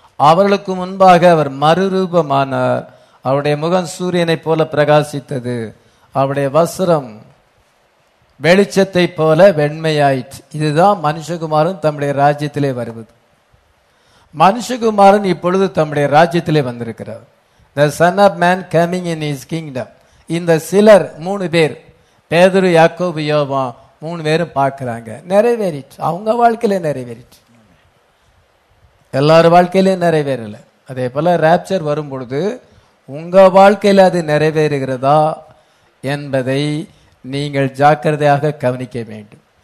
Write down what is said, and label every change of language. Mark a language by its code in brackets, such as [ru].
[ta] அவர்களுக்கு முன்பாக அவர் மறுரூபமானார், அவருடைய முகம் சூரியனை போல பிரகாசித்தது, அவருடைய வஸ்திரம் வெளிச்சத்தை போல வெண்மையாயிற்று. இதுதான் மனுஷகுமாரன் தம்முடைய ராஜ்யத்திலே வருவது. மனுஷகுமாரன் இப்பொழுது தம்முடைய ராஜ்யத்திலே வந்திருக்கிறார். [en] The son of man coming in his kingdom. [ta] இந்த சிலர் 3 பேர், பேதுரு, யாக்கோபு, யோவான், 3 பேரும் பார்க்கிறாங்க. நிறைவேறிச்சு, அவங்க வாழ்க்கையில நிறைவேறிச்சு. எல்லார் வாழ்க்கையிலையும் நிறைவேறல. அதே போல ராப்சர் வரும் பொழுது உங்க வாழ்க்கையில அது நிறைவேறுகிறதா என்பதை நீங்கள் ஜாக்கிரதையாக கவனிக்க வேண்டும்.